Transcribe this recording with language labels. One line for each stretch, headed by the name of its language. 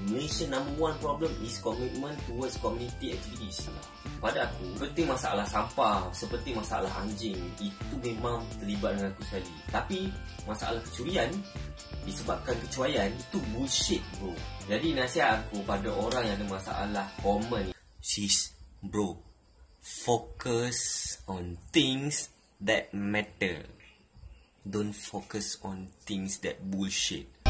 English: Malaysia number one problem is commitment towards community activities.
Malay: Pada aku, seperti masalah sampah, seperti masalah anjing, itu memang terlibat dengan aku sekali. Tapi masalah kecurian disebabkan kecuaian, itu bullshit bro. Jadi nasihat aku pada orang yang ada masalah common,
English: sis bro, focus on things that matter. Don't focus on things that bullshit.